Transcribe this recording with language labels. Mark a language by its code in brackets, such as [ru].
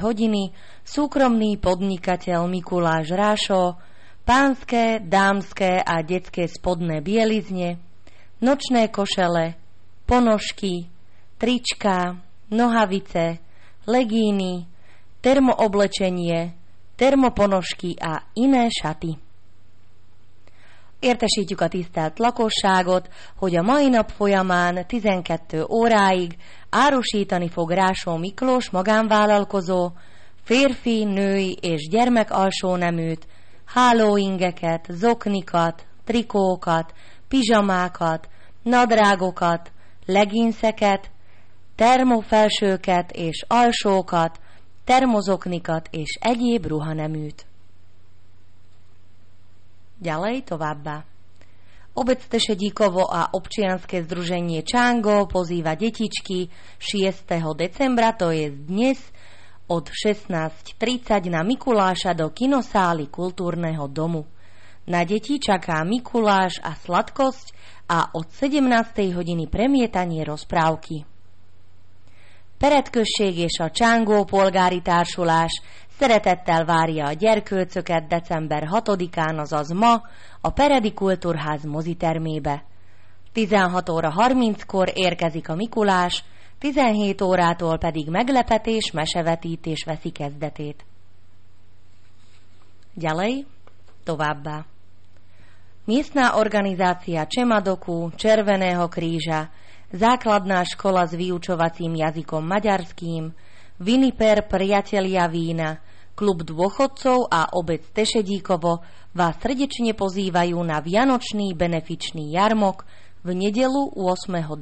[sk] hodiny súkromný podnikateľ Mikuláš Rášo pánske, dámske a detské spodné bielizne, nočné košele, ponožky, trička, nohavice, legíny, termooblečenie, termoponožky a iné šaty. [hu] Értesítjük a tisztelt lakosságot, hogy a mai nap folyamán 12 óráig árusítani fog Rásó Miklós magánvállalkozó férfi, női és gyermek alsóneműt, hálóingeket, zoknikat, trikókat, pizsamákat, nadrágokat, leginszeket, termofelsőket és alsókat, termozoknikat és egyéb ruhaneműt. [sk] Ďalej [hu] továbbá. [sk] Obec Tešedíkovo a občianske združenie Čango pozýva detičky 6. decembra, to je dnes, od 16.30 na Mikuláša do kinosály kultúrneho domu. Na deti čaká Mikuláš a sladkosť a od 17. hodiny premietanie rozprávky. [hu] Peretkösség és a Csángó polgári társulás szeretettel várja a gyerkőcöket december 6-án, azaz ma, a Peredi Kultúrház mozitermébe. 16 óra 30-kor érkezik a Mikulás, 17 órától pedig meglepetés, mesevetítés veszi kezdetét. Gyalej, továbbá. [sk] Miestna organizácia Csemadoku, Červeného kríža, Základná škola s vyučovacím jazykom maďarským, Viniper priatelia vína, Klub dôchodcov a obec Tešedíkovo vás srdečne pozývajú na vianočný benefičný jarmok v nedeľu 8.